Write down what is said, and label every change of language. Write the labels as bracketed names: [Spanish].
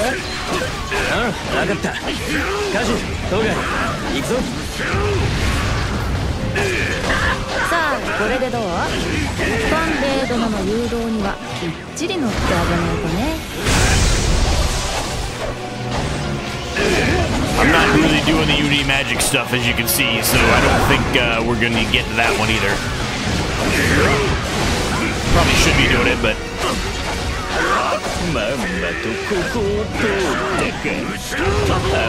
[Japanese] うん、分かった。カジン、トガ、行くぞ。さあ、これでどう。ファンデー殿の誘導にはきっちり乗ってあげないとね。 [English] I'm not really doing the Unity Magic stuff as you can see, so I don't think we're gonna get to that one either. Probably should be doing it, but [Japanese] まんまとここを通ったか。